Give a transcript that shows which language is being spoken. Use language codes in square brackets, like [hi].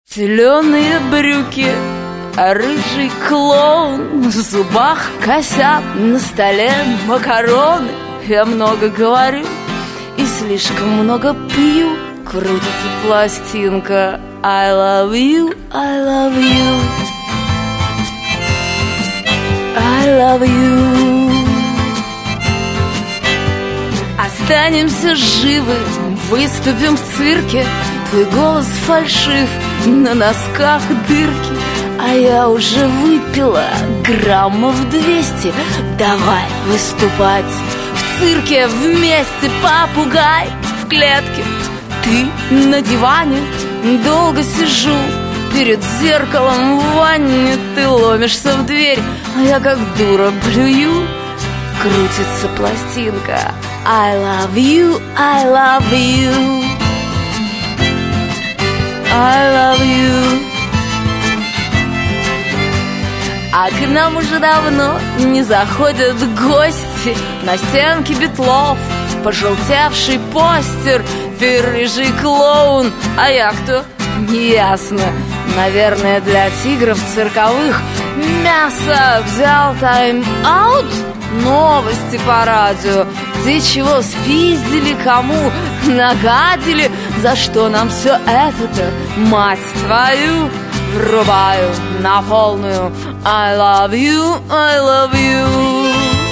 [ru] Зеленые брюки, рыжий клоун, в зубах косяк, на столе макароны. Я много говорю и слишком много пью. Крутится пластинка [en] «I love you, I love you, [ru] I love you». Останемся живы, выступим в цирке. Твой голос фальшив, на носках дырки. А я уже выпила граммов 200. Давай выступать в цирке вместе. Попугай в клетке, ты на диване. Долго сижу перед зеркалом в ванне. Ты ломишься в дверь, а я как дура блюю. Крутится пластинка [en] «I love you, I love you, [ru] I love you». А к нам уже давно не заходят гости. На стенке битлов пожелтевший постер. Ты рыжий клоун, а я кто? Неясно. Наверное, для тигров цирковых мясо. Взял тайм-аут, новости по радио. Где чего спиздили, кому нагадили? За что нам все это-то, мать твою? Врубаю на полную [en] «I love you, I love you».